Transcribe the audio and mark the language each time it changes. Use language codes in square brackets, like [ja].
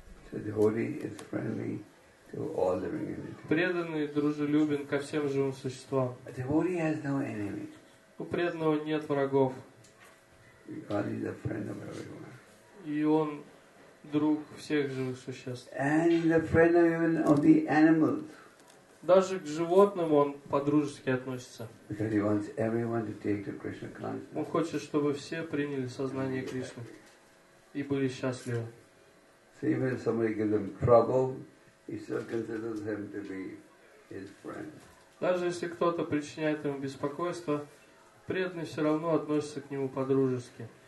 [en] So devotee is friendly to all living entities. [ru] Преданный дружелюбен ко всем живым существам. [en] A devotee has no enemy. [ru] У преданного нет врагов. [en] God is a friend of everyone. [ru] И он друг всех живых существ. [en] And he's a friend of even of the animals. [ru] Даже к животным он по-дружески относится. [en] Because he wants everyone to take to Krishna consciousness. [ru] Он хочет, чтобы все приняли сознание Кришны и были счастливы. [en] So even if somebody gives him trouble, he still considers him to be his friend. [ru] Даже если кто-то причиняет ему беспокойство, преданный все равно относится к нему по-дружески.